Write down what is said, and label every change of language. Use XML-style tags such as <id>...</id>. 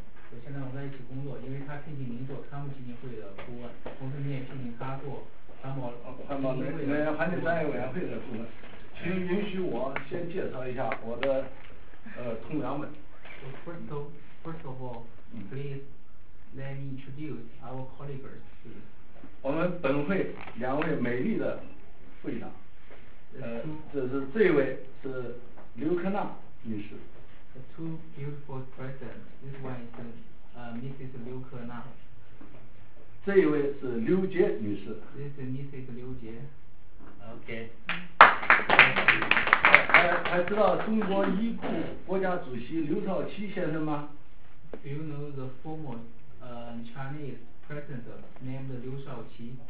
<zh>所以现在我们在一起工作，因为他聘请您做川普基金会的顾问，同时您也聘请他做环保环境战略委员会的顾问。请允许我先介绍一下我的同僚们。</zh> <en>So first of all, please let me introduce our colleagues.</en> <zh>我们本会两位美丽的副议长，这位是刘克纳女士。</zh> <en>Two beautiful presents. This one is Mrs. Liu Ke Na.</en> <zh>这一位是刘杰女士。</zh> <en>This is Mrs. 刘杰。 Okay.</en> <zh>还知道中国已故国家主席刘少奇先生吗</zh> <en>？Do you know the former Chinese president named Liu Shaoqi?</en>